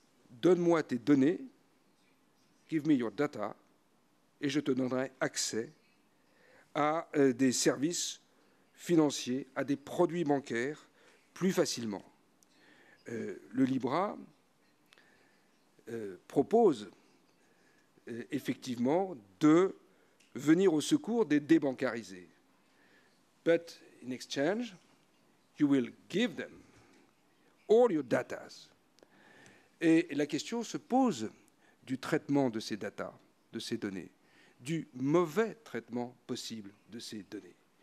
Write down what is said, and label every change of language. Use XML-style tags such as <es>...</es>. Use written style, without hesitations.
<fr>Donne-moi tes données,</fr> <en>give me your data,</en> <fr>et je te donnerai accès à des services financiers, à des produits bancaires plus facilement. Le Libra propose effectivement de venir au secours des débancarisés.</fr> <en>But in exchange, you will give them all your data.</en> <fr>Et la question se pose du traitement de ces data, de ces données, du mauvais traitement possible de ces données.</fr>